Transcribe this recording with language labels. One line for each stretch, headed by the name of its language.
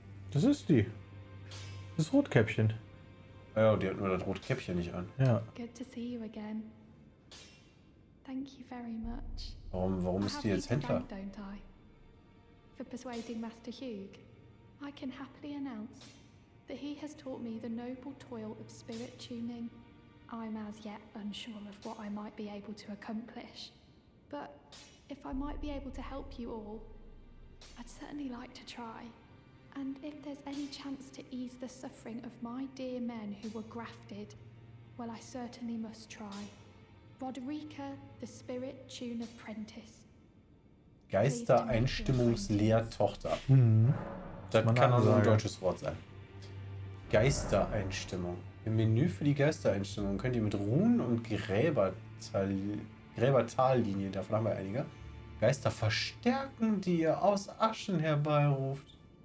German: Das ist die. Das ist Rotkäppchen. Ah ja, die hat nur das Rotkäppchen nicht an. Ja.
English: Good to see you again. Thank you very much.
German: Warum ist die jetzt Händler?
English: For persuading Master Hugh. I can happily announce that he has taught me the noble toil of spirit tuning. I'm as yet unsure of what I might be able to accomplish. But if I might be able to help you all, I'd certainly like to try. And if there's any chance to ease the suffering of my dear men who were grafted, well, I certainly must try. Roderica, the spirit tune apprentice.
German: Geistereinstimmungslehrtochter. Das kann also ein deutsches Wort sein. Geistereinstimmung. Im Menü für die Geistereinstimmung könnt ihr mit Runen und Gräbertallinien, davon haben wir einige, Geister verstärken, die ihr aus Aschen herbeiruft.